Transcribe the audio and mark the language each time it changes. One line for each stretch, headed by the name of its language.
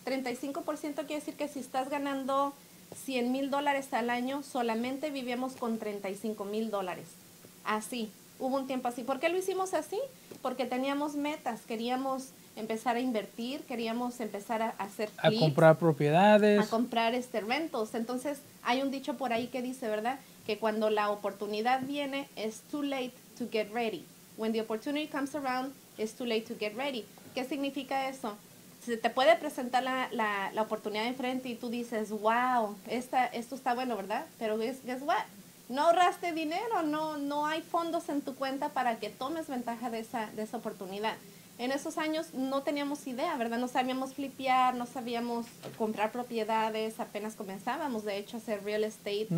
Spanish: 35% quiere decir que si estás ganando $100,000 al año, solamente vivíamos con $35,000. Así. Hubo un tiempo así. ¿Por qué lo hicimos así? Porque teníamos metas, queríamos empezar a invertir, queríamos empezar a hacer flips, a comprar propiedades, a comprar rentos. Entonces, hay un dicho por ahí que dice, ¿verdad? Que cuando la oportunidad viene,
English: it's too late to get ready. When the opportunity comes around, it's too late to get ready.
Spanish: ¿Qué significa eso? Se te puede presentar la oportunidad enfrente y tú dices, wow, esto está bueno, ¿verdad? Pero
English: guess what?
Spanish: No ahorraste dinero, no hay fondos en tu cuenta para que tomes ventaja de esa oportunidad. En esos años no teníamos idea, ¿verdad? No sabíamos flipear, no sabíamos comprar propiedades, apenas comenzábamos, de hecho, a hacer real estate.